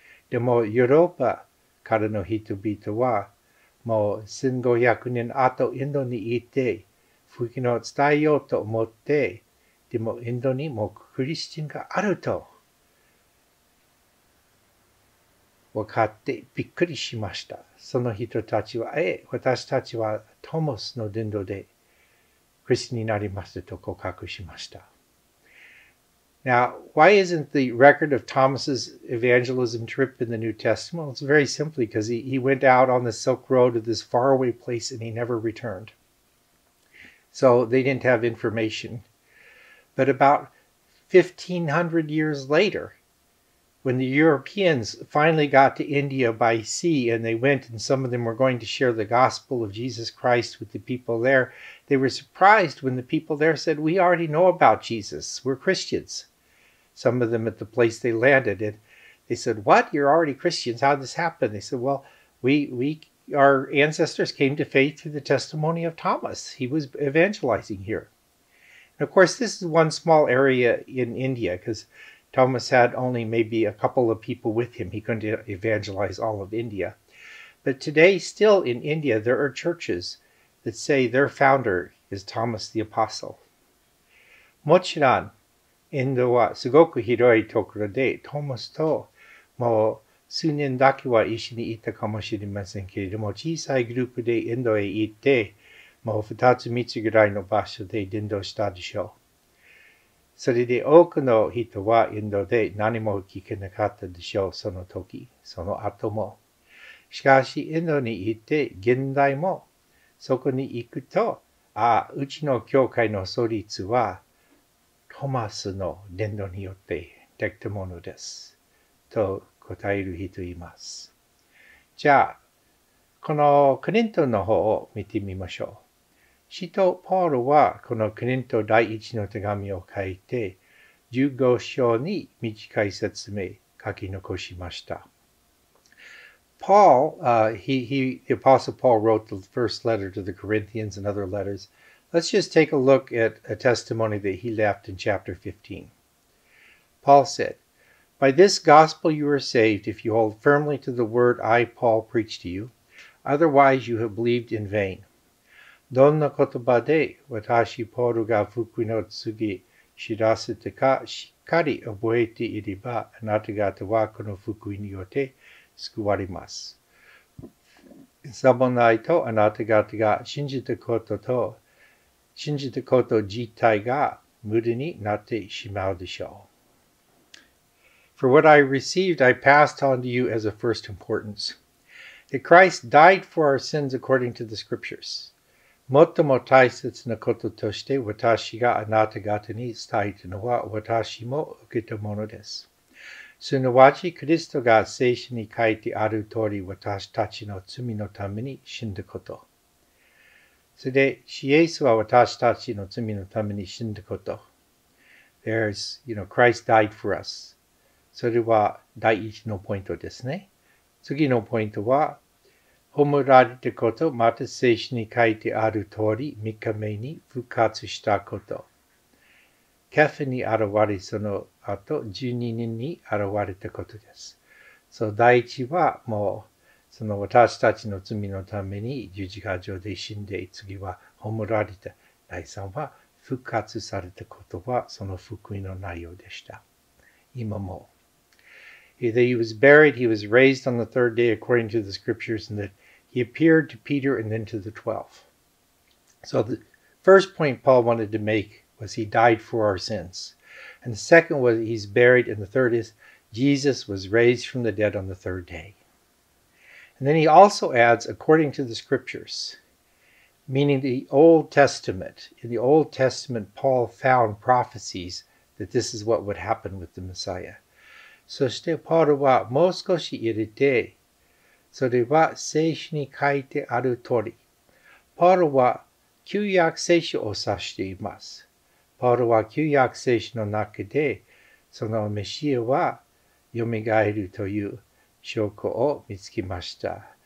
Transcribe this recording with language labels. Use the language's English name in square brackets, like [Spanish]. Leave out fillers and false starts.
[Japanese] でも、ヨーロッパからの人々は、もう1500年後インドに行って、福音を伝えようと思って、でもインドにもクリスチャンがあると、分かってびっくりしました。その人たちは、私たちはトーマスの伝道でクリスチャンになりましたと告白しました。 [English] Now, why isn't the record of Thomas's evangelism trip in the New Testament? Well, it's very simply because he went out on the Silk Road to this faraway place and he never returned. So they didn't have information. But about 1500 years later, when the Europeans finally got to India by sea and they went and some of them were going to share the gospel of Jesus Christ with the people there, they were surprised when the people there said, "We already know about Jesus. We're Christians." Some of them at the place they landed, and they said, "What? You're already Christians? How did this happen?" They said, "Well, our ancestors came to faith through the testimony of Thomas. He was evangelizing here." And of course, this is one small area in India, because Thomas had only maybe a couple of people with him. He couldn't evangelize all of India. But today, still in India, there are churches that say their founder is Thomas the Apostle. [Japanese] もちろん、インドはすごく広いところで、トーマスともう数年だけは一緒に行ったかもしれませんけれども、小さいグループでインドへ行って、もう二つ三つぐらいの場所で伝道したでしょう。それで多くの人はインドで何も聞けなかったでしょう、その時、その後も。しかし、インドに行って、現代もそこに行くと、うちの教会の創立は、トーマスの伝道によってできたものです。と答える人います。じゃあ、このクリントの方を見てみましょう。使徒パウロはこのクリント第一の手紙を書いて、15章に短い説明書き残しました。 [English] Paul, the Apostle Paul wrote the first letter to the Corinthians and other letters. Let's just take a look at a testimony that he left in chapter 15. Paul said, "By this gospel you are saved if you hold firmly to the word I, Paul, preach to you. Otherwise you have believed in vain." [Japanese] どんな言葉で私、ポールが福音を告げ知らせてかしっかり覚えていれば、あなた方はこの福音によって救われます。サボないとあなた方が信じたことと信じたこと自体が無理になってしまうでしょう。 [English] For what I received, I passed on to you as of first importance. That Christ died for our sins according to the scriptures. [Japanese] 最も大切なこととして私があなた方に伝えたのは私も受けたものです。すなわち、キリストが聖書に書いてある通り私たちの罪のために死んだこと。それで、シエスは私たちの罪のために死んだこと。 [English] There's, you know, Christ died for us. [Japanese] それは第一のポイントですね。次のポイントは、葬られたこと、また聖書に書いてある通り、三日目に復活したこと。ケフに現れ、その後、12人に現れたことです。そう、第一はもう、その私たちの罪のために十字架上で死んで、次は葬られた。第3は復活されたことはその福音の内容でした。今も。 [English] He was buried, he was raised on the third day according to the scriptures, and that he appeared to Peter and then to the 12. So the first point Paul wanted to make was he died for our sins. And the second was he's buried, and the third is Jesus was raised from the dead on the third day. And then he also adds, according to the scriptures, meaning the Old Testament. In the Old Testament, Paul found prophecies that this is what would happen with the Messiah. [Japanese] そしてパウロはもう少し入れて、それは聖書に書いてある通り。パウロは旧約聖書を指しています。パウロは旧約聖書の中で、そのメシアは蘇るという証拠を見つけました。